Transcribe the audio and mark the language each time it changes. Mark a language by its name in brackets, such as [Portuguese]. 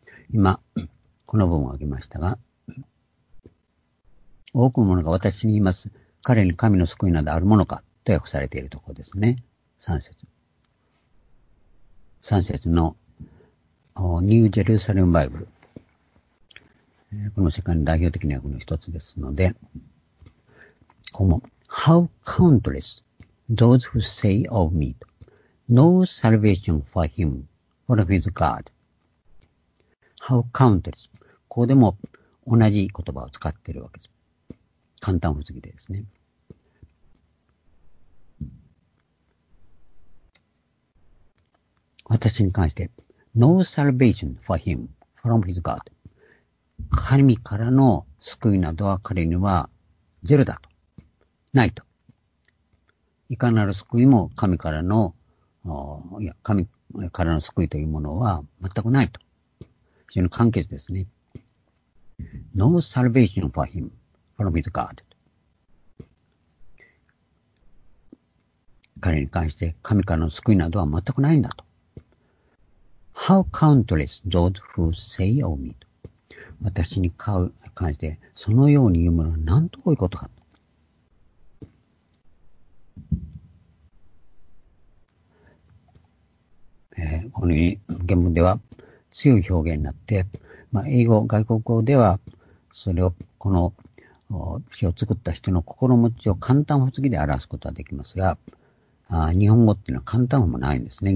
[Japanese] 今、この文を挙げましたが、多くの者が私に言います。彼に神の救いなどあるものかと訳されているところですね。3節。 3節のニュージェルサレムバイブル。この世界の代表的な訳の一つですので、この [English] How countless those who say of me, no salvation for him or his God.How countless。 [Japanese] ここでも同じ言葉を使っているわけです。簡単不思議でですね。 [English] 私に関して、No salvation for him from his God. [Japanese] 神からの救いなどは彼にはゼロだと。ないと。いかなる救いも神からの、神からの救いというものは全くないと。非常に簡潔ですね。 [English] No salvation for him from his God. [Japanese] 彼に関して神からの救いなどは全くないんだと。 [English] How countless those who say of me と。 [Japanese] 私に関してそのように言うものは何と多いことかと。このように原文では強い表現になって、まあ、英語、外国語ではそれをこの詩を作った人の心持ちを簡単発言で表すことはできますが、日本語っていうのは簡単もないんですね。